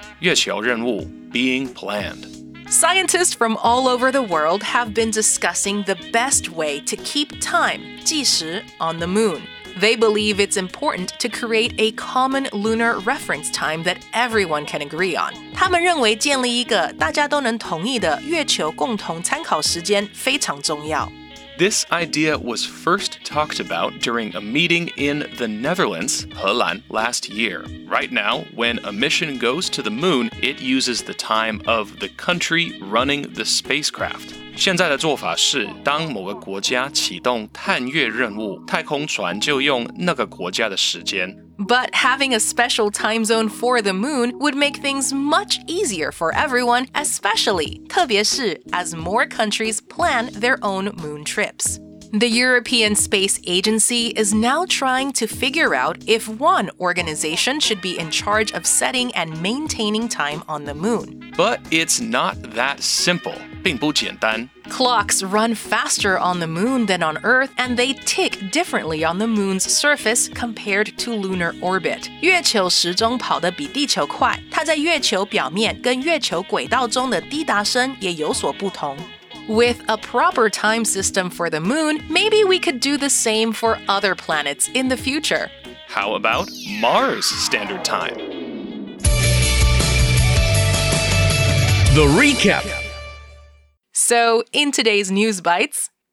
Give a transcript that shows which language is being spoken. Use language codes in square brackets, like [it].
[zh] 月球任务, [en] being planned. Scientists from all over the world have been discussing the best way to keep time, [zh] 计时, [en] on the moon. They believe it's important to create a common lunar reference time that everyone can agree on. [zh] 他们认为建立一个大家都能同意的月球共同参考时间非常重要。 [en] This idea was first talked about during a meeting in the Netherlands, 荷兰, last year. Right now, when a mission goes to the moon, it uses the time of the country running the spacecraft. [zh] 现在的做法是，当某个国家启动探月任务，太空船就用那个国家的时间。 [en] But having a special time zone for the moon would make things much easier for everyone, especially, 特别是, as more countries plan their own moon trips. The European Space Agency is now trying to figure out if one organization should be in charge of setting and maintaining time on the moon. But it's not that simple. [zh] 并不简单。 [en] Clocks run faster on the moon than on Earth, and they tick differently on the moon's surface compared to lunar orbit. [zh] 月球时钟跑得比地球快，它在月球表面跟月球轨道中的滴答声也有所不同。 [en] With a proper time system for the moon, maybe we could do the same for other planets in the future. How about Mars Standard Time? The Recap. So, in today's News Bites,